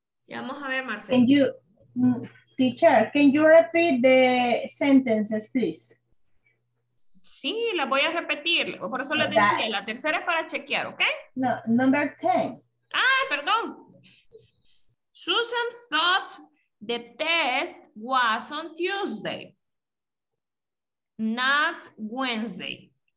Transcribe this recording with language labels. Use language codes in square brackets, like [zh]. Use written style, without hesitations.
[en] Can you, teacher, can you repeat the sentences, please? [es] Sí, la voy a repetir. Por eso les decía, la tercera es para chequear, ¿ok? [en] No, number 10. [es] Ah, perdón. [en] Susan thought the test was on Tuesday, not Wednesday.